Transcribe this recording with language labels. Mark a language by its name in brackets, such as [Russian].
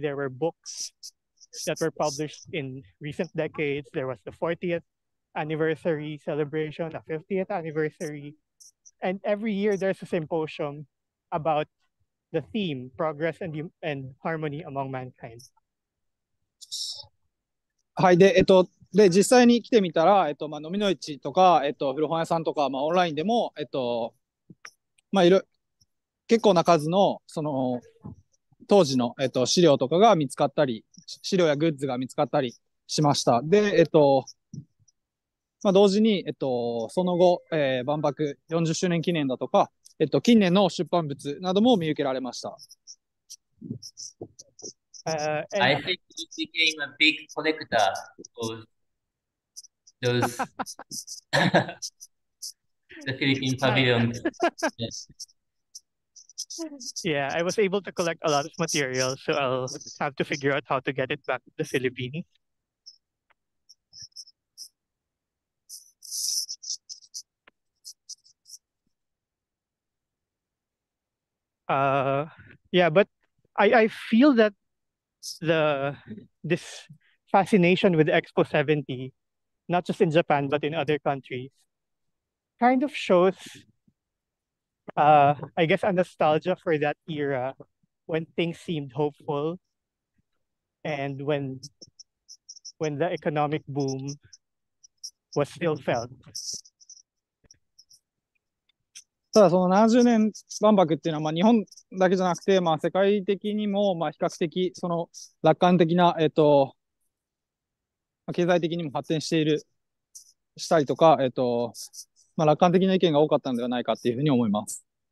[English] There were books that were published in recent decades. There was the 40th anniversary celebration, the 50th anniversary. And every year there's a symposium about the theme, progress and harmony among mankind. [Japanese] はい。で、で、実際に来てみたら、まあ、飲みの市とか、古本屋さんとか、まあ、オンラインでも、まあいる結構な数のその当時の資料とかが見つかったり、資料やグッズが見つかったりしました。で、まあ、同時に、その後、万博40周年記念だとか、近年の出版物なども見受けられました。 [English] I think you became a big collector of those the Philippine Pavilion. Yeah, I was able to collect a lot of material, so I'll have to figure out how to get it back to the Philippines. Yeah, but I feel that this fascination with Expo 70, not just in Japan, but in other countries, kind of shows, I guess, a nostalgia for that era when things seemed hopeful and when the economic boom was still felt. [Japanese] ただその70年万博っていうのはまあ日本だけじゃなくてまあ世界的にもまあ比較的その楽観的な経済的にも発展しているしたりとかまあ楽観的な意見が多かったのではないかっていうふうに思います。